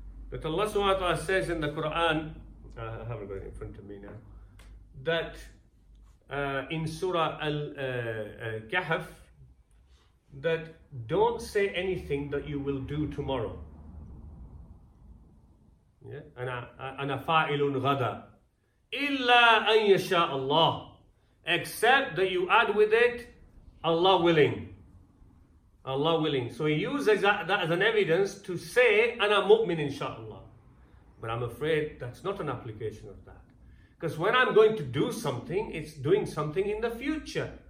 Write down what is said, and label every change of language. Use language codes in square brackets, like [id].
[en] But Allah subhanahu wa ta'ala says in the Quran, I haven't got it in front of me now, that in Surah Al-Kahf, that don't say anything that you will do tomorrow. [ar] Yeah, أنا فاعلٌ غدا إلا أن يشاء الله. [en] Except that you add with it, Allah willing. Allah willing. So he uses that as an evidence to say أنا مؤمن inshallah. But I'm afraid that's not an application of that. Because when I'm going to do something, it's doing something in the future.